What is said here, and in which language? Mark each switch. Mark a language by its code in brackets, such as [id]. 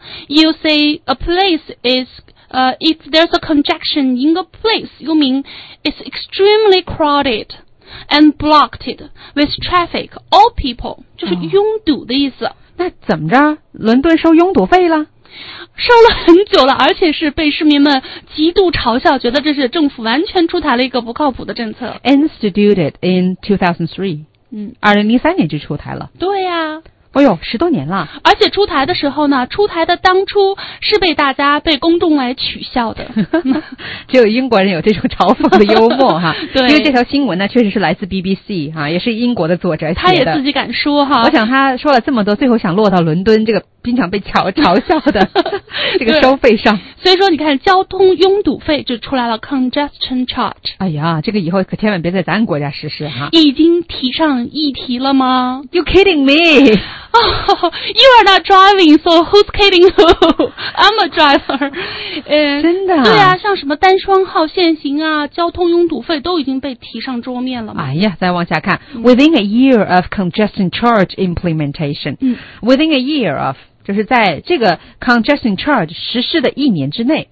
[en] You say a place is, if there's a congestion in a place, you mean it's extremely crowded and blocked with traffic or people. [zh] 就是拥堵的意思。那怎么着？伦敦收拥堵费了？烧了很久了，而且是被市民们极度嘲笑，觉得这是政府完全出台了一个不靠谱的政策。 [en] Instituted in 2003，嗯， [zh] 2003年就出台了。对呀、啊，哎呦，十多年了。而且出台的时候呢，出台的当初是被大家被公众来取笑的。只有英国人有这种嘲讽的幽默哈。对，因为这条新闻呢，确实是来自 BBC 哈、啊，也是英国的作者写的。他也自己敢说哈。我想他说了这么多，最后想落到伦敦这个。经常被嘲笑的这个收费上，所以说你看交通拥堵费就出来了 congestion charge。哎呀，这个以后可千万别在咱国家实施哈！已经提上议题了吗 [en] ？You kidding me？ You are not driving, so who's kidding who? I'm a driver. [zh] 真的？对啊，像什么单双号限行啊，交通拥堵费都已经被提上桌面了嘛。哎呀，再往下看、嗯、， [en] within a year of congestion charge implementation，、嗯、 within a year of。 [zh] 就是在这个 congestion charge 实施的一年之内，